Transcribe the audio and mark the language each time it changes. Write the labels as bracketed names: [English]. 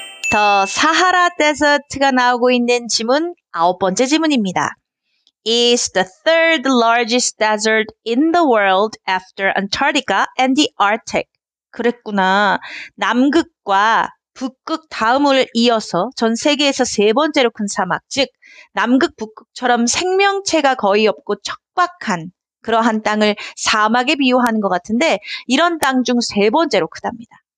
[Korean] 더 사하라 데서트가 나오고 있는 지문 아홉 번째 지문입니다. [English] Is the third largest desert in the world after Antarctica and the Arctic. [Korean] 그랬구나. 남극과 북극 다음을 이어서 전 세계에서 세 번째로 큰 사막, 즉 남극 북극처럼 생명체가 거의 없고 척박한 그러한 땅을 사막에 비유하는 것 같은데 이런 땅 중 세 번째로 크답니다.